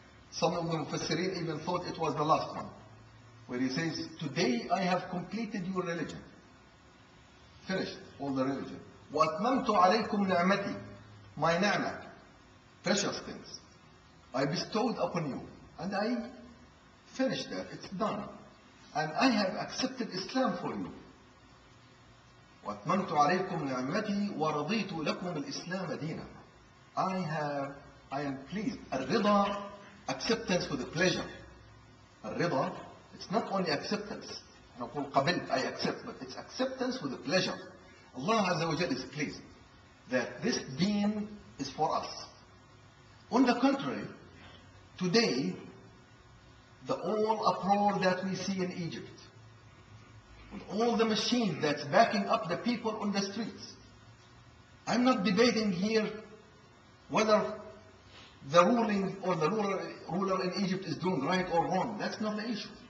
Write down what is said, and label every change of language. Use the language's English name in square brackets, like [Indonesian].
[English] Some of the Mufassirin even thought it was the last one, where He says, today I have completed your religion, finished all the religion. [Arabic] وَأَتْمَمْتُ عَلَيْكُمْ نِعْمَتِي, [English] my ni'mah, precious things, I bestowed upon you, and I finished that, it's done. And I have accepted Islam for you. [Arabic] وَأَتْمَمْتُ عَلَيْكُمْ نِعْمَتِي وَرَضِيتُ لَكُمْ الْإِسْلَامَ دِينًا, [English] I am pleased. الرِّضَى, acceptance with a pleasure. الرِّضَى, it's not only acceptance. [Arabic] نقول قبلت, [English] I accept, but it's acceptance with a pleasure. Allah Azza wa Jalla is pleased that this deen is for us. On the contrary, today, the all uproar that we see in Egypt, with all the machines that's backing up the people on the streets, I'm not debating here whether the ruling or the ruler in Egypt is doing right or wrong. That's not the issue.